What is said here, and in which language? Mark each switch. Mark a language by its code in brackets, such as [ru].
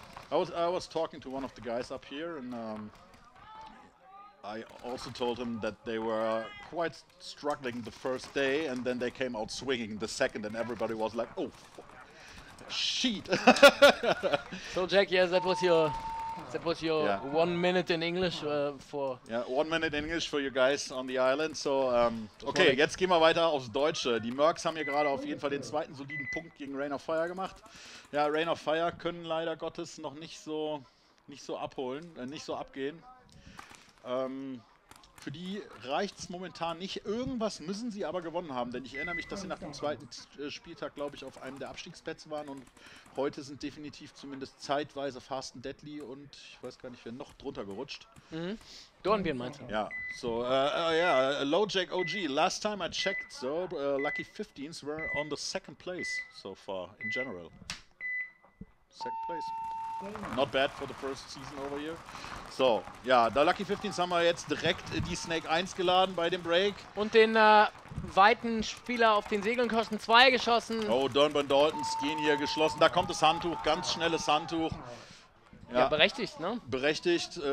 [en] I was talking to one of the guys up here, and I also told him that they were quite struggling the first day, and then they came out swinging the second, and everybody was like, oh, sheet. So, Jack, yes, that was your yeah. 1 minute in English for... Yeah, 1 minute in English for you guys on the island. [de] So, okay, jetzt gehen wir weiter aufs Deutsche. Die Mercs haben ja gerade auf jeden Fall den zweiten soliden Punkt gegen Reign of Fire gemacht. Ja, Reign of Fire können leider Gottes noch nicht so abgehen. Für die reicht es momentan nicht. Irgendwas müssen sie aber gewonnen haben, denn ich erinnere mich, dass sie nach dem zweiten Spieltag, glaube ich, auf einem der Abstiegsplätze waren, und heute sind definitiv zumindest zeitweise Fast and Deadly und ich weiß gar nicht, wer noch drunter gerutscht. Mhm. Dornbirn meinst du? Ja, so, [en] yeah, Lowjack OG, last time I checked, so Lucky 15s were on the second place so far in general. Second place. Not bad for the first season over here. [de] So, ja, da Lucky 15 haben wir jetzt direkt die Snake 1 geladen bei dem Break. Und den weiten Spieler auf den Segeln kosten 2 geschossen. Oh, Dornburn Dalton, Skin hier geschlossen. Da kommt das Handtuch, ganz schnelles Handtuch. Ja, berechtigt, ne? Berechtigt.